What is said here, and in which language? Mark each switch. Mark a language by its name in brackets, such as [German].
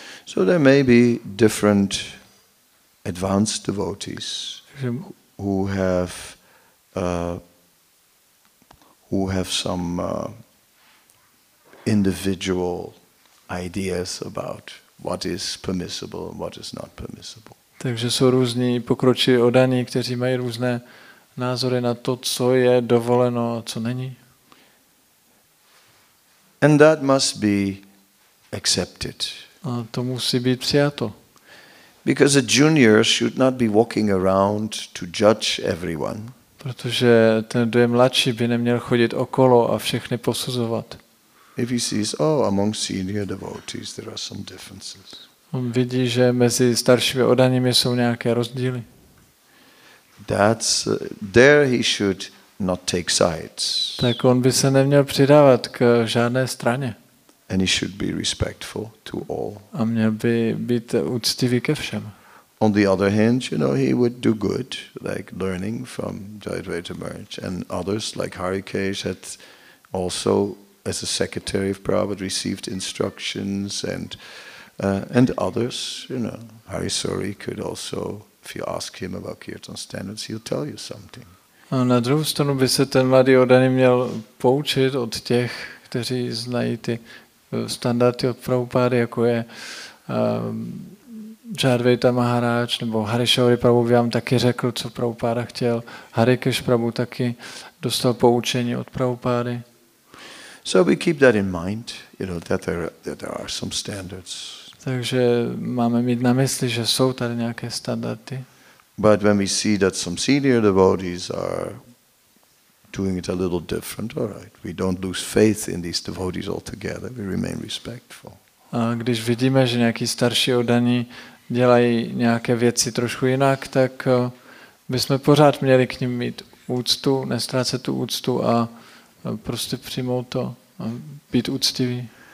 [English] So there may be different advanced devotees who have some individual ideas about what is permissible and what is not permissible. [Czech] Takže jsou různí pokročilí odaní, kteří mají různé názory na to, co je dovoleno a co není. [English] And that must be accepted. [Czech] A to musí být přijato. [English] Because a junior should not be walking around to judge everyone. [Czech] Protože ten, kdo je mladší, by neměl chodit okolo a všechny posuzovat. [English] If he sees, oh, among senior devotees there are some differences. [Czech] On vidí, že mezi staršími odaními jsou nějaké rozdíly. [English] That's there he should not take sides. [Czech] Tak on by se neměl přidávat k žádné straně. [English] And he should be respectful to all. [Czech] A měl by být úctivý ke všem. [English] On the other hand, you know, he would do good, like learning from Jayadvaita Maharaj and others, like Harikesh had also, as a secretary of Prabhupada, received instructions and others, you know, Harisori could also, if you ask him about kirtan standards, he'll tell you something. [Czech] A na druhou stranu by se ten mladý odaný měl poučit od těch, kteří znají ty standardy od Prabhupády, jako je Jadvaita Maharaj nebo Harishauri Prabhu by vám taky řekl, co Prabhupáda chtěl. Harikesh Prabhu taky dostal poučení od Prabhupády. [English] So we keep that in mind, you know, that there are some standards. [Czech] Takže máme mít na mysli, že jsou tady nějaké standardy. [English] But when we see that some senior devotees are doing it a little different, all right. We don't lose faith in these devotees altogether. We remain respectful. [Czech] A když vidíme, že nějaký starší oddaní dělají nějaké věci trošku jinak, tak bychom pořád měli k ním mít úctu, nestrácet tu úctu a prostě přijmout to a být úctivý.